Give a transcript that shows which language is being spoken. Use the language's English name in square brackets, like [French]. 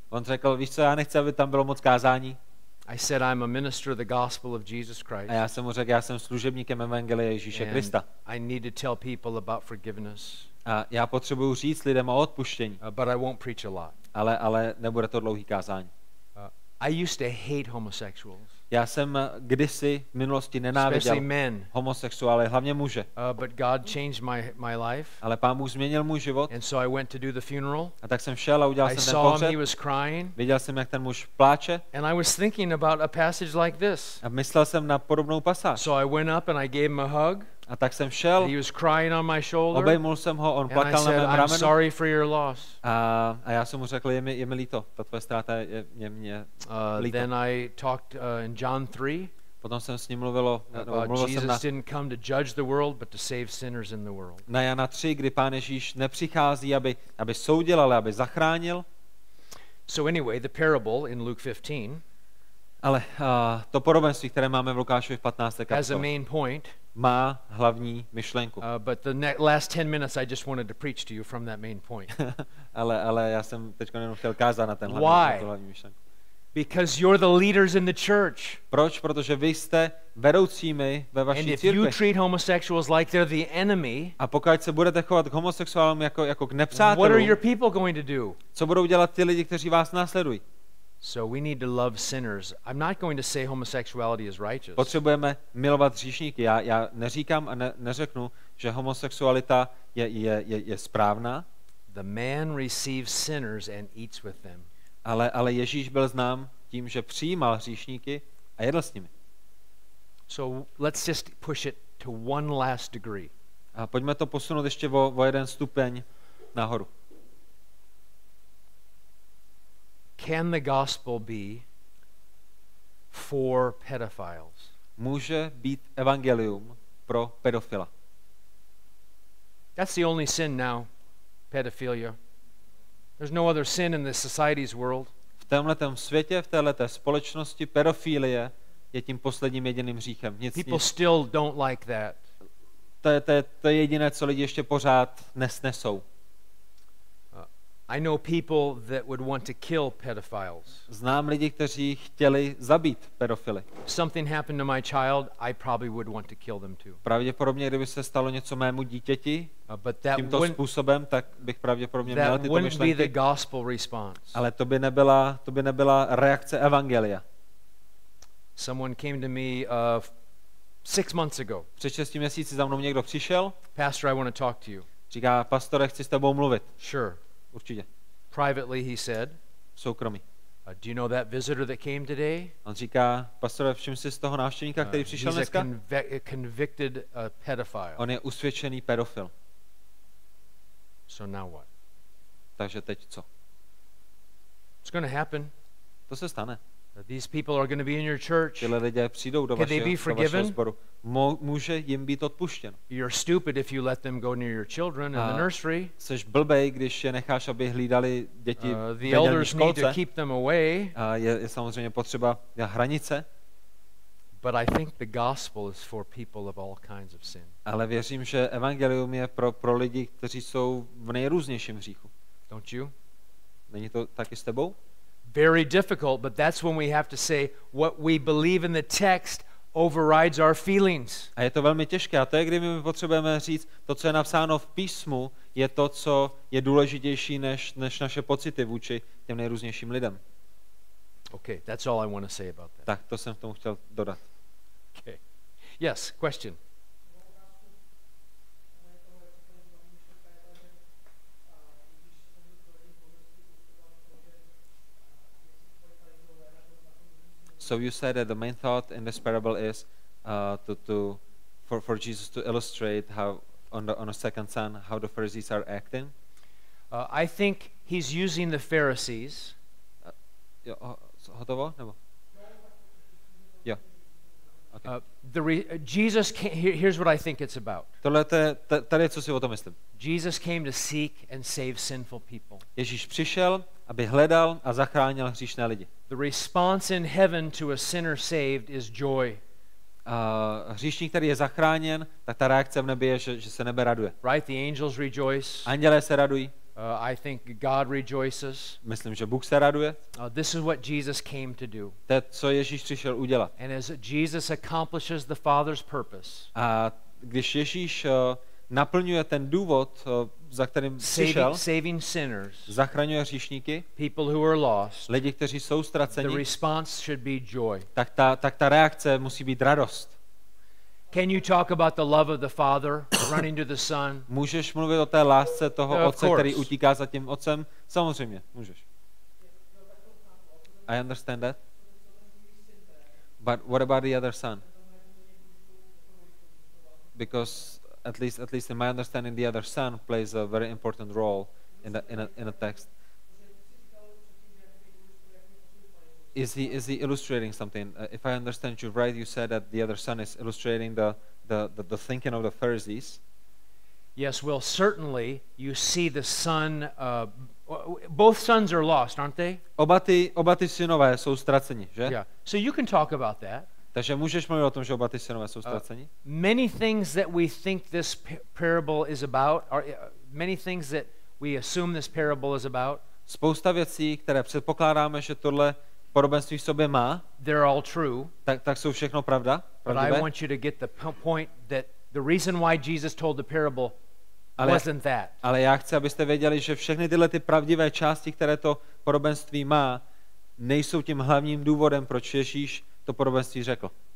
[Czech] On řekl, víš co, já nechci, aby tam bylo moc kázání. [English] I said, I'm a minister of the gospel of Jesus Christ. [Czech] A já jsem mu řekl, já jsem služebníkem Evangelia Ježíše Krista. [English] I need to tell people about forgiveness. [Czech] A já potřebuju říct lidem o odpuštění. [English] But I won't preach a lot. [Czech] Ale nebude to dlouhý kázání. [English] I used to hate homosexuals. [Czech] Já jsem kdysi v minulosti nenáviděl homosexuály, hlavně muže. [English] But God changed my life. [Czech] Ale Pán Bůh změnil můj život. [English] And so I went to do the funeral. [Czech] A tak jsem šel a udělal [English] I [Czech] jsem ten pohřeb. [English] Saw him, he was crying. [Czech] Viděl jsem, jak ten muž pláče. [English] And I was thinking about a passage like this. [Czech] A myslel jsem na podobnou pasáž. [English] So I went up and I gave him a hug. [Czech] A tak jsem šel. [English] He was crying on my shoulder. [Czech] Obejmul jsem ho, on [English] and [Czech] plakal [English] I said, [Czech] na mém rameni. [English] I'm sorry for your loss. [Czech] A já jsem mu řekl, je mi líto, ta tvoje ztráta je mě líto. [English] Then I talked in John 3. [Czech] Potom jsem s ním mluvil [English] Jesus [Czech] jsem na, [English] didn't come to judge the world, but to save sinners in the world. [Czech] Na Jana 3, kdy Pán Ježíš nepřichází, aby soudil, ale aby zachránil. [English] So anyway, the parable in Luke 15. [Czech] Ale to podobenství, které máme v Lukášově 15. kapitole. [English] As a main point. [Czech] Má hlavní myšlenku. [English] But the last 10 minutes I just wanted to preach to you from that main point. [Czech] ale já jsem teďka jenom chtěl kázat na ten hlavní myšlenku. [English] Because you're the leaders in the church. [Czech] Proč? Protože vy jste vedoucími ve vaší církvi. [English] And if you treat homosexuals like they're the enemy, [Czech] a pokud se budete chovat k homosexuálům jako k nepřátelům, [English] what are your people going to do? [Czech] Co budou dělat ti lidi, kteří vás následují? [English] So we need to love sinners. I'm not going to say homosexuality is righteous. [Czech] Potřebujeme milovat hříšníky. Já neříkám a neřeknu, že homosexualita je správná. [English] The man receives sinners and eats with them. [Czech] Ale Ježíš byl znám tím, že přijímal hříšníky a jedl s nimi. [English] So let's just push it to one last degree. [Czech] A pojďme to posunout ještě o jeden stupeň nahoru. [English] Can the gospel be for pedophiles? [Czech] Může být evangelium pro pedofila. [English] That's the only sin now, pedophilia. There's no other sin in this society's world. [Czech] V tomhletom světě, v této společnosti, pedofilie je tím posledním jediným hříchem. [English] People still don't like that. [Czech] To je jediné, co lidi ještě pořád nesnesou. [English] I know people that would want to kill pedophiles. [Czech] Znám lidi, kteří chtěli zabít pedofily. [English] Something happened to my child, I probably would want to kill them too. [Czech] Pravděpodobně, kdyby se stalo něco mému dítěti tímto způsobem, tak bych pravděpodobně měl tyto myšlenky. [English] That wouldn't be the gospel response. [Czech] Ale to by nebyla reakce evangelia. [English] Someone came to me 6 months ago. [Czech] Před 6 měsíci za mnou někdo přišel. [English] Pastor, I want to talk to you. [Czech] Říká, pastore, chci s tebou mluvit. [English] Sure. [Czech] Určitě. [English] Privately he said. [Czech] Soukromí. [English] Do you know that visitor that came today? [Czech] On říká, pastore, všim si z toho návštěvníka, který přišel [English] he's [Czech] dneska? [English] A convicted pedophile. [Czech] On je usvědčený pedofil. So now what? Takže teď co? It's going to happen. To se stane. These people are going to be in your church. Tyhle lidé přijdou do vašeho sboru. Může jim být odpuštěn. [English] You're stupid if you let them go near your children in the nursery. [Czech] Seš blbej, když je necháš, aby hlídali děti v školce. [English] The elders need to keep them away. [Czech] Je samozřejmě potřeba hranice. [English] But I think the gospel is for people of all kinds of sin. [Czech] Ale věřím, že evangelium je pro lidi, kteří jsou v nejrůznějším hříchu. [English] Don't you? [Czech] Není to taky s tebou? [English] Very difficult, but that's when we have to say what we believe in the text overrides our feelings. [Czech] A je to velmi těžké, a to je, kdy my potřebujeme říct, to, co je napsáno v písmu, je to, co je důležitější než naše pocity vůči těm nejrůznějším lidem. [English] Okay, that's all I want to say about that. [Czech] Tak, to jsem k tomu chtěl dodat. [English] Okay. Yes, question. So you said that the main thought in this parable is for Jesus to illustrate how on a second son how the Pharisees are acting. I think he's using the Pharisees. [Czech] Hotovo? Nebo? Yeah. [English] Okay. Jesus came, here's what I think it's about. [Czech] Tady co si o tom myslím. [English] Jesus came to seek and save sinful people. [Czech] Ježíš přišel, aby hledal a zachránil hříšné lidi. [English] The response in heaven to a sinner saved is joy. [Czech] Hříšník, který je zachráněn, tak ta reakce v nebi je, že se nebe raduje. [English] Right, the angels rejoice. [Czech] Andělé se radují. [English] I think God rejoices. [Czech] Myslím, že Bůh se raduje. [English] This is what Jesus came to do. [Czech] To, co Ježíš přišel udělat. [English] And as Jesus accomplishes the Father's purpose. [Czech] A když Ježíš naplňuje ten důvod, za kterým přišel. [English] Saving sinners. [Czech] Zachraňuje hříšníky. [English] People who are lost. [Czech] Lidi, kteří jsou ztraceni. [English] The response should be joy. [Czech] Tak ta reakce musí být radost. [English] Can you talk about the love of the Father running to the Son? [Czech] Můžeš mluvit o té lásce toho Otce, který utíká za tím Otcem? Samozřejmě, můžeš. [English] I understand that. But what about the other son? Because at least in my understanding, the other son plays a very important role in a text. Is he illustrating something? If I understand you right, you said that the other son is illustrating the thinking of the Pharisees. Yes, well, certainly you see the son. Both sons are lost, aren't they? [Czech] Oba ty synové jsou ztraceni, že? [English] Yeah. So you can talk about that. [Czech] Takže můžeš mluvit o tom, že oba ty synové jsou ztraceni? [English] Many things that we think this parable is about, or many things that we assume this parable is about. [Czech] Spousta věcí, které předpokládáme, že tohle podobenství v sobě má. [English] They're all true. [Czech] Tak jsou všechno pravda. Pravdivé. [English] But I want you to get the point that the reason why Jesus told the parable wasn't that. [Czech] Ale já chci, abyste věděli, že všechny tyhle ty pravdivé části, které to podobenství má, nejsou tím hlavním důvodem, proč Ježíš to podobenství řekl.